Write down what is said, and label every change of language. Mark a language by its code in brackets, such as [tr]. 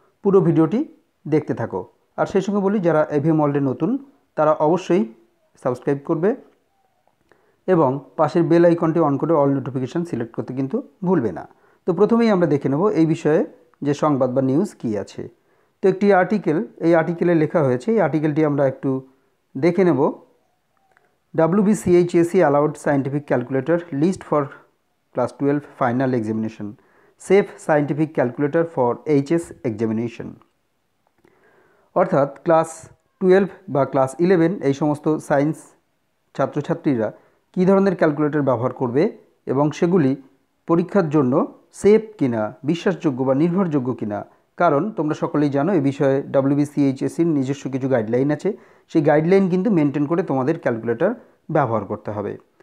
[bn] পুরো ভিডিওটি দেখতে থাকো। আর সেই সঙ্গে বলি, যারা এভিএম ওয়ার্ল্ডে নতুন তারা অবশ্যই সাবস্ক্রাইব করবে এবং পাশের বেল আইকনটি অন করে অল নোটিফিকেশান সিলেক্ট করতে কিন্তু ভুলবে না। তো প্রথমেই আমরা দেখে নেব এই বিষয়ে যে সংবাদ বা নিউজ কী আছে। তো একটি আর্টিকেল, এই আর্টিকেলে লেখা হয়েছে, এই আর্টিকেলটি আমরা একটু দেখে নেব। [en] WBCHSE allowed scientific calculator list for class 12 final examination. Safe scientific calculator for HS examination. [bn] অর্থাৎ ক্লাস 12 বা ক্লাস 11 এই সমস্ত সায়েন্স ছাত্রছাত্রীরা কী ধরনের ক্যালকুলেটর ব্যবহার করবে এবং সেগুলি পরীক্ষার জন্য সেফ কিনা, বিশ্বাসযোগ্য বা নির্ভরযোগ্য কিনা। কারণ তোমরা সকলেই জানো এ বিষয়ে WBCHSE-র নিজস্ব কিছু গাইডলাইন আছে, সেই গাইডলাইন কিন্তু মেনটেন করে তোমাদের ক্যালকুলেটর ব্যবহার করতে হবে।